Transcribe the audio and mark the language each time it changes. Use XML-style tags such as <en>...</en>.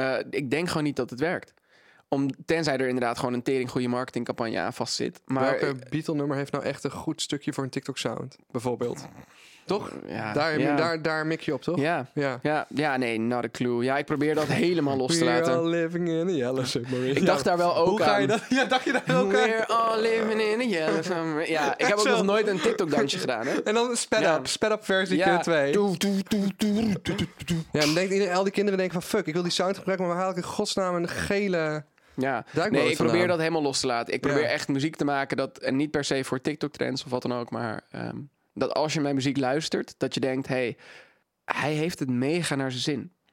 <nl>Ik denk gewoon niet dat het werkt. Tenzij er inderdaad gewoon een tering goede marketingcampagne aan vast zit. Maar, welke Beatle-nummer heeft nou echt een goed stukje voor een TikTok-sound? Bijvoorbeeld. Toch? Ja, daar mik je op, toch? Ja. Nee,</nl> <en>not a clue.</en> <nl>Ja, ik probeer dat helemaal los te laten.</nl> <en>We're all living in a yellow submarine.</en> <nl>Ik dacht daar wel ook hoe aan. Ga je dat? Ja, dacht je daar ook</nl> <en>We're</en> <nl>aan?</nl> <en>We're all living in a yellow submarine.</en> <nl>Ja, ik heb ook nog nooit een TikTok-dansje gedaan. Hè? En dan sped up versie keer 2. Ja, dan denkt iedereen, al die kinderen denken van fuck, ik wil die sound gebruiken, maar waar haal ik in godsnaam een gele... Ja, nee, ik probeer dat helemaal los te laten. Ik probeer echt muziek te maken dat, en niet per se voor TikTok-trends of wat dan ook, maar dat als je mijn muziek luistert, dat je denkt, hey, hij heeft het mega naar zijn zin.</nl>